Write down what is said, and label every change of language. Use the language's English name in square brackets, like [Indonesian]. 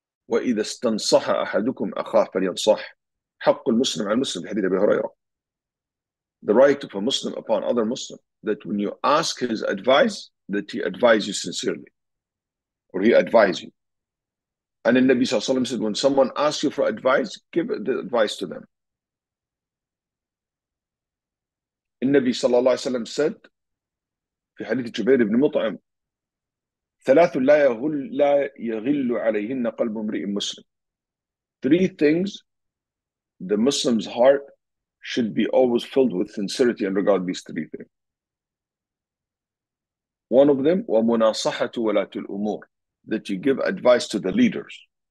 [Arabic] وَإِذَا اسْتَنْصَحَ أَحَدُكُمْ أَخَاهُ فَلْيَنْصَحْ حَقُّ الْمُسْلِمِ عَلَى الْمُسْلِمِ حَدِيثَ أَبِي هُرَيْرَةَ. [English] The right of a Muslim upon other Muslim, that when you ask his advice, that he advise you sincerely, or he advise you. And Nabi sallallahu alayhi wa sallam said, when someone asks you for advice, give the advice to them. [Arabic] النبي صلى الله عليه وسلم [English] said [Arabic] في حديث جبير بن مطعم ثلاث لا يغل عليهن قلب امرئ مسلم. [English] Three things the Muslim's heart should be always filled with sincerity in regard to these three things. One of them [Arabic] ومناصحة ولاة الأمور, [English] that you give advice to the leaders.